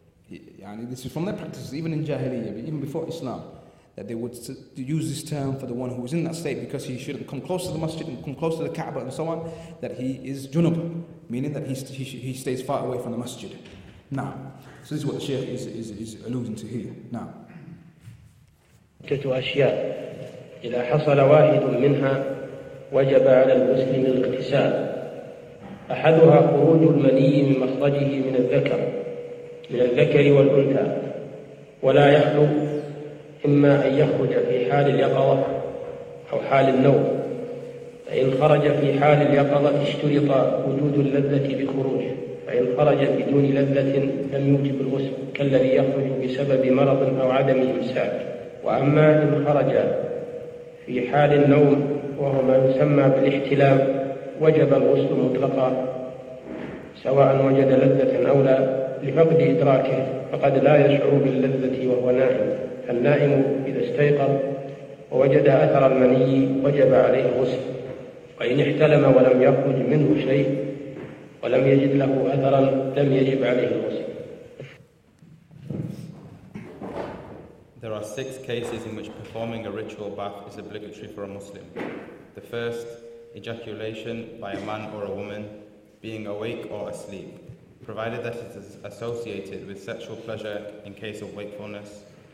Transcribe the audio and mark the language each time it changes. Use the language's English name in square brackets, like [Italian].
[English] Yani this is from their practices, even in Jahiliyyah, even before Islam, that they would use this term for the one who is in that state because he shouldn't come close to the masjid and come close to the Kaaba and so on, that he is junub, meaning that he stays far away from the masjid. Now, so this is what the Shaykh is alluding to here. Now. [Arabic] ستة أشياء إذا حصل واحد منها وجب على المسلم الاغتسال أحدها خروج المني من مخرجه من الذكر والأنثى ولا يخلو إما أن يخرج في حال اليقظة أو حال النوم فإن خرج في حال اليقظة اشترط وجود اللذة بخروجه فإن خرج بدون لذة لم يوجب الغسل كالذي يخرج بسبب مرض أو عدم إمساك وأما إن خرج في حال النوم وهو ما يسمى بالاحتلام وجب الغسل مطلقا سواء وجد لذة أو لا لفقد إدراكه فقد لا يشعر باللذة وهو نائم فالنائم إذا استيقظ ووجد أثر المني وجب عليه الغسل وإن احتلم ولم يخرج منه شيء ولم يجد له أثرا لم يجب عليه الغسل. [English] There are six cases in which performing a ritual bath is obligatory for a Muslim. The first, ejaculation by a man or a woman, being awake or asleep, provided that it is associated with sexual pleasure in case of wakefulness.